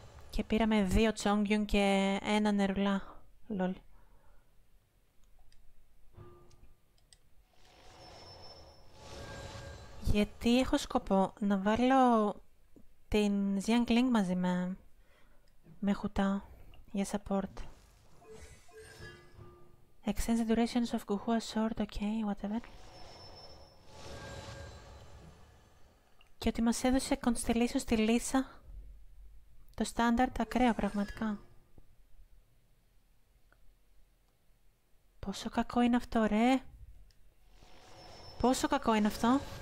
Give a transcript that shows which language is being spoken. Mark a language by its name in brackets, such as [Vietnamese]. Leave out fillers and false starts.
[Greek] Και πήραμε δύο Τσόγκιουν και ένα νερουλά. Λολ. Γιατί έχω σκοπό να βάλω την Ziang Ling μαζί με χουτά για support. [English] Extends the duration of Guhua's sword, okay, whatever. [Greek] Και ότι μας έδωσε constellation στη Lisa. Το standard, ακραίο πραγματικά. Πόσο κακό είναι αυτό, ρε! Πόσο κακό είναι αυτό!